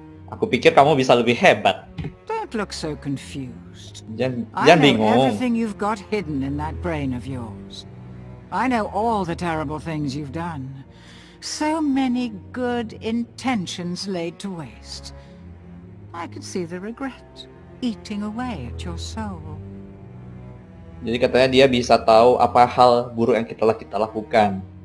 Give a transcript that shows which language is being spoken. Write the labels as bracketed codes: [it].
[id] Aku pikir kamu bisa lebih hebat. [en] Don't look so confused. [id] Jangan bingung. [en] I know everything you've got hidden in that brain of yours. I know all the terrible things you've done. So many good intentions laid to waste. I can see the regret eating away at your soul. [id] Jadi katanya dia bisa tahu apa hal buruk yang telah kita lakukan.